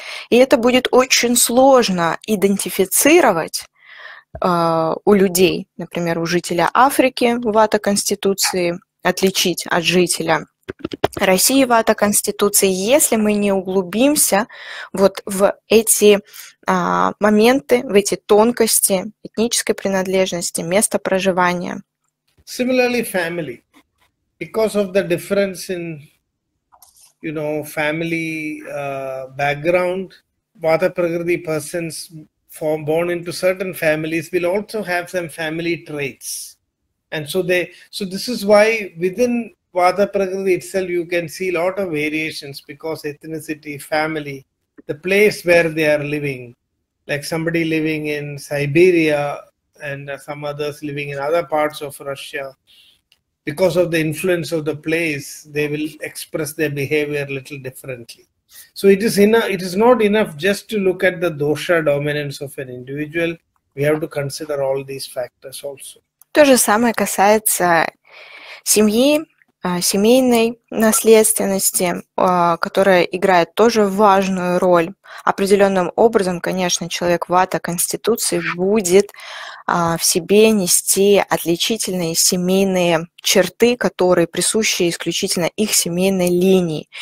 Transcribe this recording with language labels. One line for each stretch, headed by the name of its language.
Russian: И это будет очень сложно идентифицировать у людей, например, у жителя Африки вата-конституции, отличить от жителя России вата-конституции, если мы не углубимся вот в эти моменты, в эти тонкости этнической принадлежности, места проживания.
English: Similarly, family. Because of the difference in, you know, family background, Vata Prakriti persons born into certain families will also have some family traits. And so they, so this is why within Vata Prakriti itself you can see a lot of variations because ethnicity, family, the place where they are living, like somebody living in Siberia and some others living in other parts of Russia, because of the influence of the place, they will express their behavior a little differently. So it is not enough just to look at the dosha dominance of an individual. We have to consider all these factors also.
Russian: То же самое касается семьи, семейной наследственности, которая играет тоже важную роль. Определенным образом, конечно, человек вата конституции будет в себе нести отличительные семейные черты, которые присущи исключительно их семейной линии.